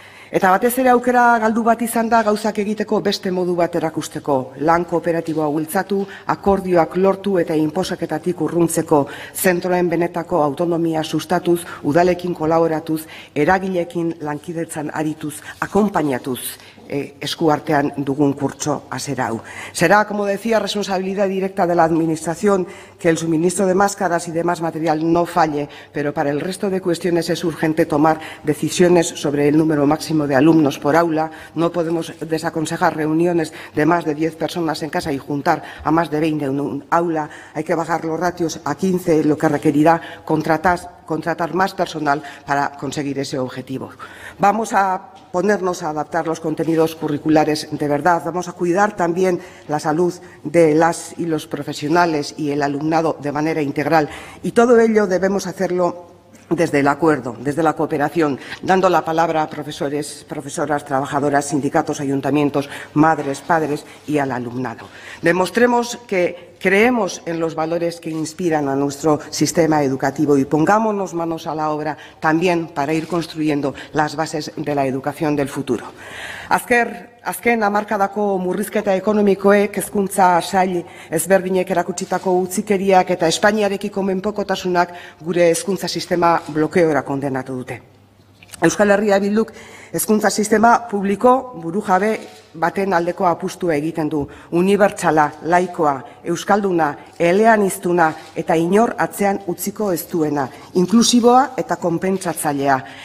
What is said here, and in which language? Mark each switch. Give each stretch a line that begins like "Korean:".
Basque: Eta batez ere aukera galdu bat izan da gauzak egiteko beste modu bat erakusteko, lan kooperatiboa bultzatu, akordioak lortu eta inposaketatik urruntzeko, zentroen benetako autonomia sustatuz, udalekin kolaboratuz, eragilekin lankidetzan arituz, akompainatuz, eskuartean dugun kurtso aserau.
Spanish: Será, como decía, responsabilidad directa de la administración que el suministro de máscaras y demás material no falle, pero para el resto de cuestiones es urgente tomar decisiones sobre el número máximo de alumnos por aula. No podemos desaconsejar reuniones de más de 10 personas en casa y juntar a más de 20 en un aula. Hay que bajar los ratios a 15, lo que requerirá contratar más personal para conseguir ese objetivo. Vamos a ponernos a adaptar los contenidos curriculares de verdad. Vamos a cuidar también la salud de las y los profesionales y el alumnado de manera integral. Y todo ello debemos hacerlo desde el acuerdo, desde la cooperación, dando la palabra a profesores, profesoras, trabajadoras, sindicatos, ayuntamientos, madres, padres y al alumnado. Demostremos que creemos en los valores que inspiran a nuestro sistema educativo y pongámonos manos a la obra también para ir construyendo las bases de la educación del futuro.
Basque: Azken hamarkadako murrizketa ekonomikoek, hezkuntza sail ezberdinek erakutsitako utzikeriak eta Espainiarekiko menpokotasunak gure hezkuntza sistema blokeora kondenatu dute. Euskal Herria Bilduk hezkuntza sistema publiko burujabe baten aldeko apustua egiten du, unibertsala, laikoa, euskalduna, eleaniztuna eta inor atzean utziko ez duena, inklusiboa eta konpentsatzailea.